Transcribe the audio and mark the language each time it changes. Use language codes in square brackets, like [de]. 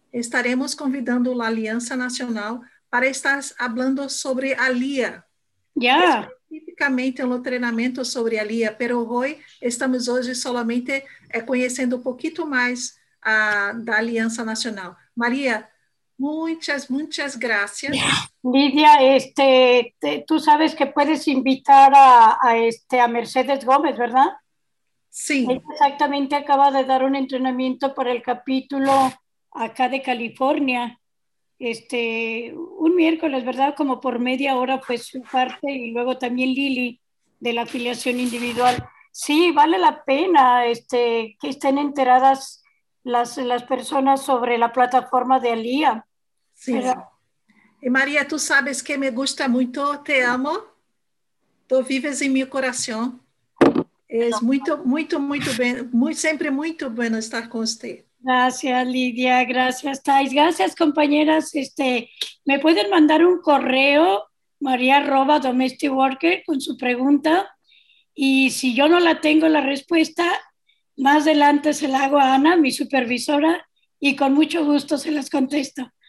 [pt] estaremos convidando a Aliança Nacional para estar falando sobre a LIA. Yeah. Especificamente no treinamento sobre a LIA, mas hoje estamos hoje somente conhecendo um pouquinho mais da Aliança Nacional. Maria, muitas, muitas graças. [es] Lídia, tu sabes que puedes invitar a Mercedes Gómez, ¿verdad? Sí. Ella exactamente acaba de dar un entrenamiento para el capítulo acá de California, un miércoles, ¿verdad? Como por media hora fue su parte, y luego también Lili de la afiliación individual. Sí, vale la pena que estén enteradas las personas sobre la plataforma de Alía. Sí. Y María, tú sabes que me gusta mucho, te amo. Tú vives en mi corazón. [pt] Es muito, muito, muito bem, muito, sempre muito bom estar com você. [es] Gracias, Lídia. Gracias, Thais. Gracias, compañeras. Me pueden mandar un correo, maria@domesticworker, con su pregunta. Y si yo no la tengo la respuesta, más adelante se la hago a Ana, mi supervisora, y con mucho gusto se las contesto.